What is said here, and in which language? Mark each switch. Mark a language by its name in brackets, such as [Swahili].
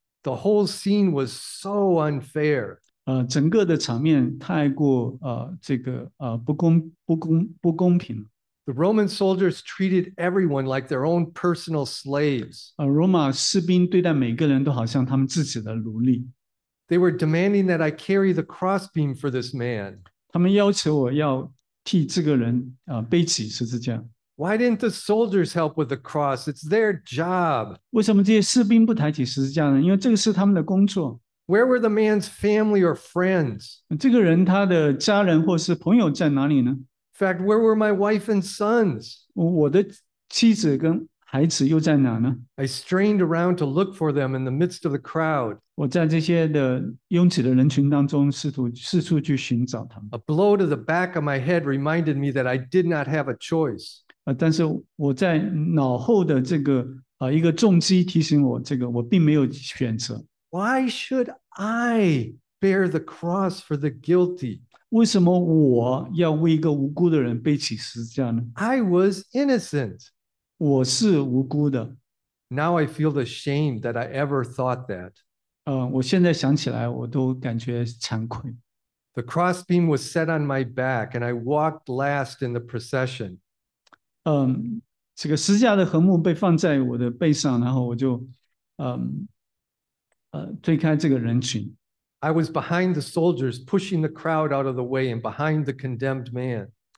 [English] The whole scene was so unfair. [Chinese] 整个的场面太过不公平。 [English] The Roman soldiers treated everyone like their own personal slaves. [Chinese] 罗马士兵对待每个人都好像他们自己的奴隶。 [English] They were demanding that I carry the crossbeam for this man. [Chinese] 他们要求我要替这个人背起十字架。 [English] Why didn't the soldiers help with the cross? It's their job. [Chinese] 为什么这些士兵不抬起十字架呢？因为这个是他们的工作。 [English] Where were the man's family or friends? [Chinese] 这个人他的家人或是朋友在哪里呢？ [English] In fact, where were my wife and sons? [Chinese] 我的妻子跟孩子又在哪呢？ [English] I strained around to look for them in the midst of the crowd. [Chinese] 我在这些的拥挤的人群当中四处去寻找他们。 [English] A blow to the back of my head reminded me that I did not have a choice. [Chinese] 但是我在脑后的这个一个重击提醒我，这个我并没有选择。 [English] Why should I bear the cross for the guilty? [Chinese] 为什么我要为一个无辜的人背起十字架呢？ [English] I was innocent. [Chinese] 我是无辜的。 [English] Now I feel the shame that I ever thought that. [Chinese] 我现在想起来我都感觉惭愧。 [English] The crossbeam was set on my back and I walked last in the procession. [Chinese] 这个十字架的横木被放在我的背上，然后我就推开这个人群。 [English] I was behind the soldiers, pushing the crowd out of the way and behind the condemned man.